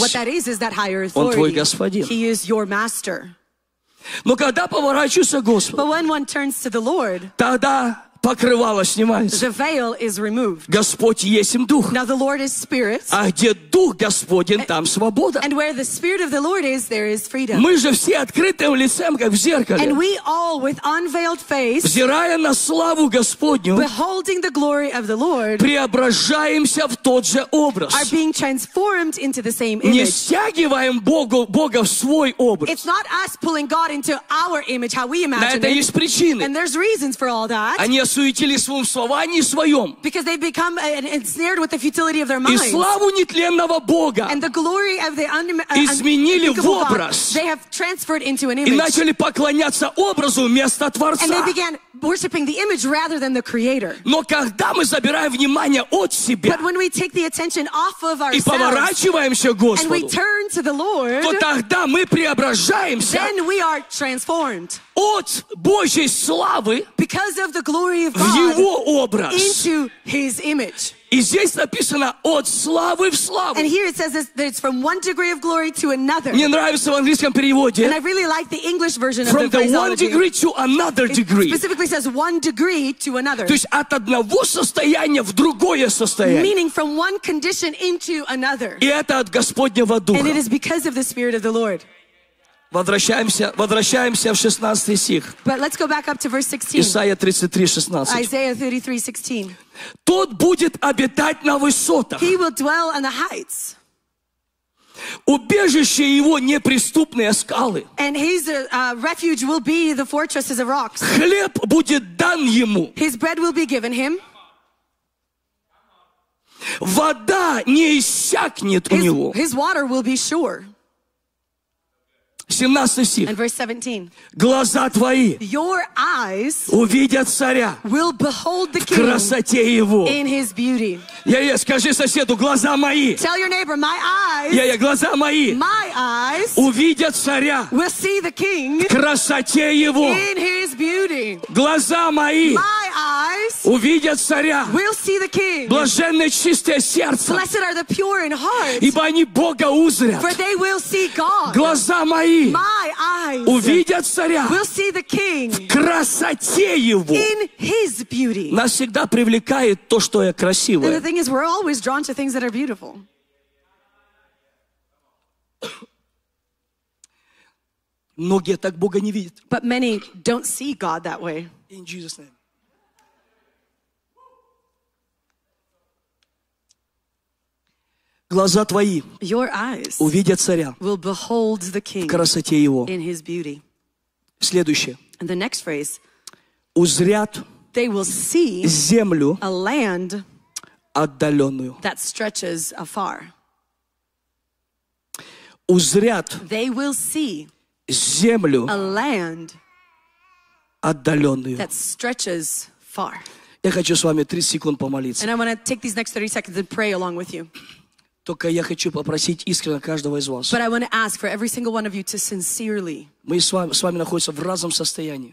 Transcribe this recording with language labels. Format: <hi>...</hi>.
<en>what that is that higher authority,</en> <ru>Он твой Господин,</ru> <en>He is your Master.</en> <ru>Но когда поворачивается к Господу,</ru> <en>but when one turns to the Lord,</en> <ru>тогда покрывало снимается.</ru> <en>The veil is removed.</en> <ru>Господь есть Дух.</ru> <en>Now the Lord is Spirit.</en> <ru>А где Дух Господень, там свобода.</ru> <en>And where the Spirit of the Lord is, there is freedom.</en> <ru>Мы же все открытым лицем, как в зеркале.</ru> <en>And we all with unveiled face,</en> <ru>взирая на славу Господню,</ru> <en>beholding the glory of the Lord,</en> <ru>преображаемся в тот же образ.</ru> <en>Are being transformed into the same image.</en> <ru>Не стягиваем Бога в свой образ.</ru> <en>It's not us pulling God into our image, how we imagine</en> <ru>it. На это есть причины.</ru> <en>And there's reasons for all that.</en> <ru>Они осуетили своем словании своем.</ru> <en>Because they've become ensnared with the futility of their minds.</en> <ru>И славу нетленного Бога.</ru> <en>And the glory of the</en> <ru>изменили в образ.</ru> <en>God, they have transferred into an image.</en> <ru>И начали поклоняться образу вместо Творца.</ru> <en>And they began worshiping the image rather than the Creator.</en> <ru>Но когда мы забираем внимание от себя,</ru> <en>but when we take the attention off of ourselves,</en> <ru>и поворачиваемся к Господу,</ru> <en>and we turn to the Lord,</en> <ru>то тогда мы преображаемся.</ru> <en>Then we are transformed.</en> <ru>От Божьей славы,</ru> <en>because of the glory of God,</en> <ru>в Его образ,</ru> <en>into His image.</en> <ru>И здесь написано от славы в славу.</ru> <en>And here it says that it's from one degree of glory to another.</en> <ru>Мне нравится в английском переводе.</ru> <en>And I really like the English version from of the phraseology. From the one degree to another degree. It specifically says one degree to another.</en> <ru>То есть от одного состояния в другое состояние.</ru> <en>Meaning from one condition into another.</en> <ru>И это от Господнего Духа.</ru> <en>And it is because of the Spirit of the Lord.</en> <ru>Возвращаемся в 16 стих.</ru> <en>But let's go back up to verse 16.</en> <ru>Исайя 33:16.</ru> <en>Isaiah 33:16.</en> <ru>Тот будет обитать на высотах.</ru> <en>He will dwell on the heights.</en> <ru>Убежище его неприступные скалы.</ru> <en>And his refuge will be the fortresses of rocks.</en> <ru>Хлеб будет дан ему.</ru> <en>His bread will be given him.</en> <ru>Вода не иссякнет у него.</ru> <en>His water will be sure.</en> <ru>17 стих.</ru> <en>And verse 17.</en> <ru>Глаза твои,</ru> <en>your eyes,</en> <ru>увидят царя,</ru> <en>will behold the king,</en> <ru>в красоте его,</ru> <en>in his beauty.</en> <ru>Yeah, скажи соседу, глаза мои,</ru> <en>tell your neighbor, my eyes,</en> <ru>yeah, глаза мои,</ru> <en>my eyes,</en> <ru>увидят царя,</ru> <en>will see the king,</en> <ru>в красоте его,</ru> <en>in his beauty.</en> <ru>Глаза мои,</ru> <en>my eyes,</en> <ru>увидят царя,</ru> <en>will see the king.</en> <ru>Блаженное чистое сердце,</ru> <en>blessed are the pure in heart,</en> <ru>ибо они Бога узрят,</ru> <en>for they will see God.</en> <ru>Глаза мои,</ru> <en>my eyes,</en> <ru>увидят царя,</ru> <en>will see the king,</en> <ru>в красоте его,</ru> <en>in his beauty.</en> <ru>Нас всегда привлекает то, что красивое.</ru> <en>And the thing is, we're always drawn to things that are beautiful.</en> <ru>Многие так Бога не видят.</ru> <en>But many don't see God that way. In Jesus' name.</en> <ru>Глаза твои увидят царя в красоте его. Следующее.</ru> <en>And the next phrase,</en> <ru>узрят</ru> <en>they will see</en> <ru>землю</ru> <en>a land</en> <ru>отдаленную.</ru> <en>That stretches afar.</en> <ru>Узрят</ru> <en>they will see</en> <ru>землю</ru> <en>a land</en> <ru>отдаленную.</ru> <en>That stretches far.</en> <ru>Я хочу с вами 30 секунд помолиться.</ru> <en>And I want to take these next 30 seconds and pray along with you.</en> <ru>Только я хочу попросить искренне каждого из вас.</ru> <en>But I want to ask for every single one of you to sincerely.</en> <ru>Мы с вами находимся в разном состоянии.</ru>